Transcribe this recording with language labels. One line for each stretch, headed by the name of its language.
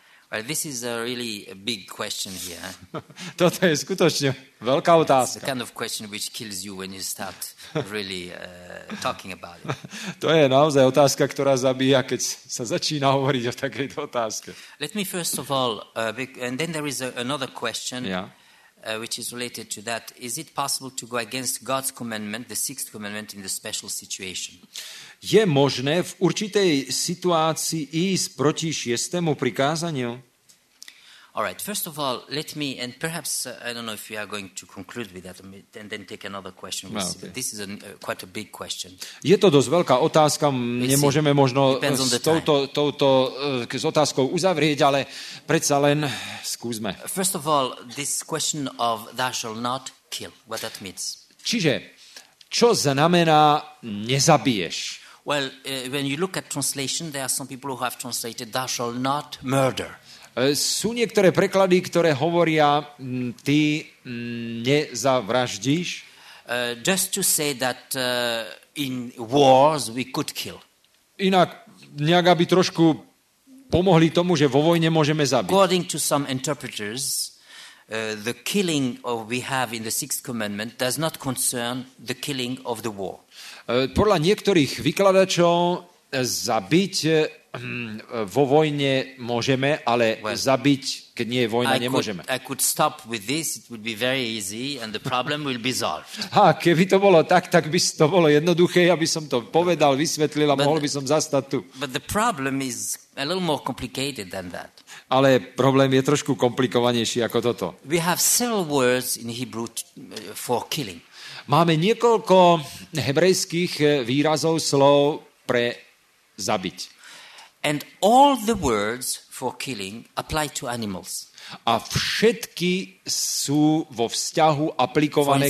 English: Well, this is a really big question here.
Slovak: Toto je skutočne veľká otázka.
English: It's the kind of question which kills you when you start really talking about it.
Slovak: To je naozaj otázka, ktorá zabíja, keď sa začína hovoriť o takejto otázke.
English: Let me first of all, and then there is another question. Yeah. Which is related to that, is it possible to go against God's commandment, the sixth commandment, in the special situation?
Slovak: Je možné v určitej situácii ísť proti šiestému prikázaniu?
English: All right, first of all, let me, and perhaps, I don't know if we are going to conclude with that, and then take another question. No, okay. This is quite a big question.
Slovak: Je to dosť veľká otázka, nemôžeme možno s otázkou uzavrieť, ale predsa len skúsme.
English: First of all, this question of thou shall not kill, what that means.
Slovak: Čiže, čo znamená nezabiješ?
English: Well, when you look at translation, there are some people who have translated thou shall not murder.
Slovak: Sú niektoré preklady, ktoré hovoria ty nezavraždíš.
English: Just to say that in wars we could kill.
Slovak: Inak nejak aby trošku pomohli tomu, že vo vojne môžeme zabiť.
English: According to some interpreters, the killing of we have in the sixth commandment does not concern the killing of the war.
Slovak: Podľa niektorých vykladačov zabiť vo vojne môžeme, ale well, zabiť, keď nie je vojna, nemôžeme.
English: I could stop with this, it would be very easy and the problem will be solved.
Slovak: Ha, keby to bolo tak, tak by to bolo jednoduché, aby som to povedal, vysvetlil a mohol by som zastať tu.
English: But the problem is a little more complicated than that.
Slovak: Ale problém je trošku komplikovanejší ako toto.
English: We have several words in Hebrew for killing.
Slovak: Máme niekoľko hebrejských výrazov, slov pre zabiť.
English: And all the words for killing apply to animals.
Slovak: A všetky sú vo vzťahu aplikované